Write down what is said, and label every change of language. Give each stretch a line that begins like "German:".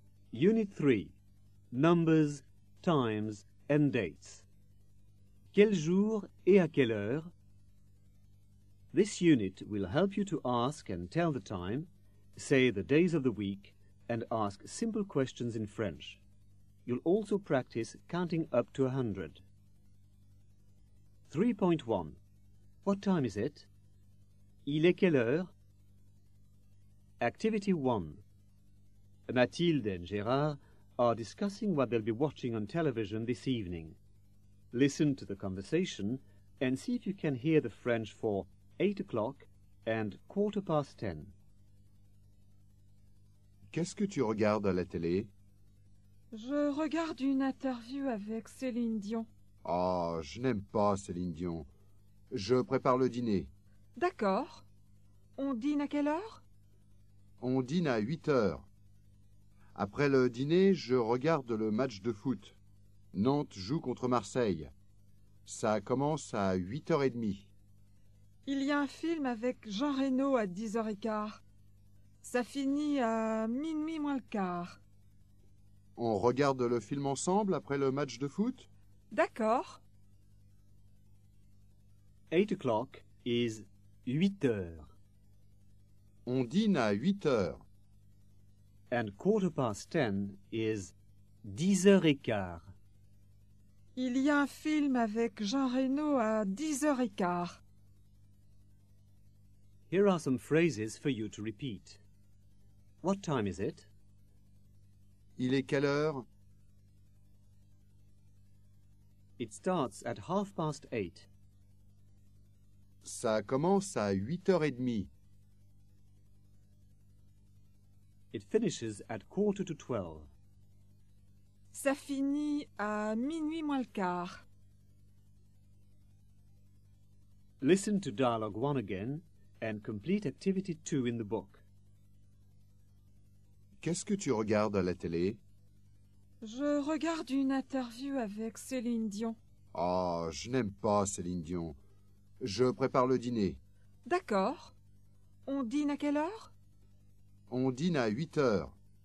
English: Unit 3. Numbers, times, and dates.
French: Quel jour et à quelle heure?
English: This unit will help you to ask and tell the time, say the days of the week, and ask simple questions in French. You'll also practice counting up to 100. 3.1. What time is it?
French: Il est quelle heure?
English: Activity 1. Mathilde and Gérard are discussing what they'll be watching on television this evening. Listen to the conversation and see if you can hear the French for 8 o'clock and 10:15.
French: Qu'est-ce que tu regardes à la télé? Je regarde une interview avec Céline Dion. Oh, je n'aime pas Céline Dion. Je prépare le dîner. D'accord. On dîne à quelle heure? On dîne à 8 heures. Après le dîner, je regarde le match de foot. Nantes joue contre Marseille. Ça commence à 8h30. Il y a un film avec Jean Reno à 10h15. Ça finit à 12h15. On regarde le film ensemble après le match de foot? D'accord.
English: 8 o'clock is 8h.
French: On dîne à 8h.
English: And 10:15 is 10h15.
French: Il y a un film avec Jean Reno à 10h15.
English: Here are some phrases for you to repeat. What time is it?
French: Il est quelle heure?
English: It starts at 8:30.
French: Ça commence à 8h30.
English: It finishes at 11:45.
French: Ça finit à 12:15.
English: Listen to dialogue 1 again And complete activity 2 in the book.
French: Qu'est-ce que tu regardes à la télé? Je regarde une interview avec Céline Dion. Oh, je n'aime pas Céline Dion. Je prépare le dîner. D'accord. On dîne à quelle heure? On dîne à 8 heures.